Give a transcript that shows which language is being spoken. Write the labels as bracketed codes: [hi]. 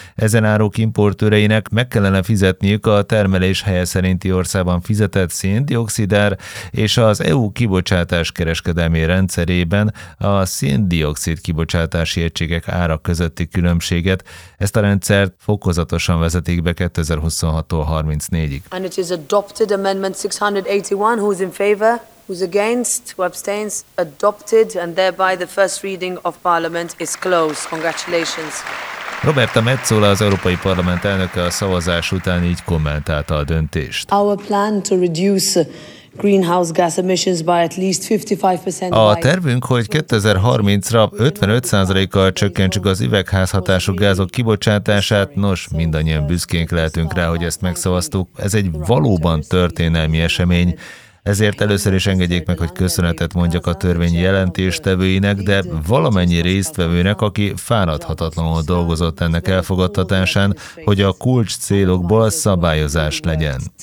[hu] Ezen árok importőreinek meg kellene fizetniük a termelés helye szerinti országban fizetett széndioxidár és az EU kibocsátás kereskedelmi rendszerében a széndioxid kibocsátási egységek ára közötti különbséget. Ezt a rendszert fokozatosan vezetik be 2026-tól 34-ig. [en] And it is adopted amendment 681, who's in favor? Who's against, who abstains, adopted, and thereby the first reading of Parliament is closed. Congratulations. [hu] Roberta Metsola, az Európai Parlament elnöke a szavazás után így kommentálta a döntést. [en] Our plan to reduce greenhouse gas emissions by at least 55%. [hu] A tervünk, hogy 2030-ra 55%-kal csökkentsük az üvegházhatású gázok kibocsátását, nos, mindannyian büszkénk lehetünk rá, hogy ezt megszavaztuk. Ez egy valóban történelmi esemény. Ezért először is engedjék meg, hogy köszönetet mondjak a törvény jelentéstevőinek, de valamennyi résztvevőnek, aki fáradhatatlanul dolgozott ennek elfogadtatásán, hogy a kulcs célokból szabályozás legyen.